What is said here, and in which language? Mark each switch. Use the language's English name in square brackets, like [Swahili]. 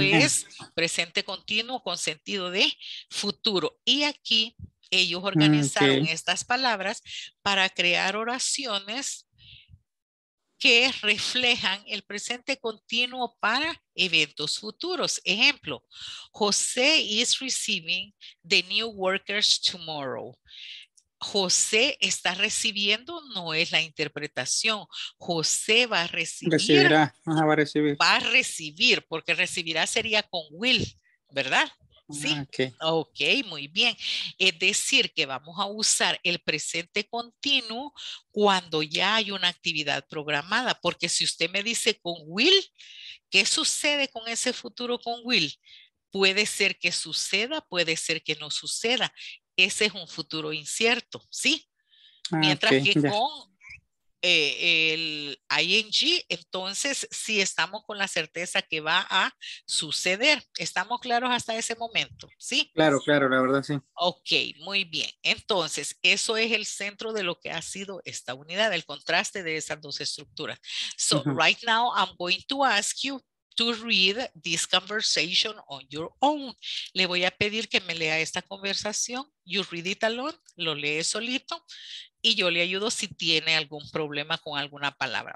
[Spanish] es presente continuo con sentido de futuro. Y aquí ellos organizaron okay. estas palabras para crear oraciones que reflejan el presente continuo para eventos futuros. [English] Ejemplo, José is receiving the new workers tomorrow. [Spanish] José está recibiendo, no es la interpretación. José va a recibir. Recibirá, ajá, va a recibir. Va a recibir, porque recibirá sería con will, ¿verdad? Sí. Okay, muy bien. Es decir, que vamos a usar el presente continuo cuando ya hay una actividad programada. Porque si usted me dice con will, ¿qué sucede con ese futuro con will? Puede ser que suceda, puede ser que no suceda. Ese es un futuro incierto, ¿sí? Mientras okay, que yeah. con el ING, entonces sí estamos con la certeza que va a suceder. ¿Estamos claros hasta ese momento? ¿Sí? Claro, claro, la verdad, sí. Ok, muy bien. Entonces, eso es el centro de lo que ha sido esta unidad, el contraste de esas dos estructuras. [English] So, uh-huh. right now I'm going to ask you to read this conversation on your own. [Spanish] Le voy a pedir que me lea esta conversación. [English] You read it alone, [Spanish] lo lee solito. Y yo le ayudo si tiene algún problema con alguna palabra.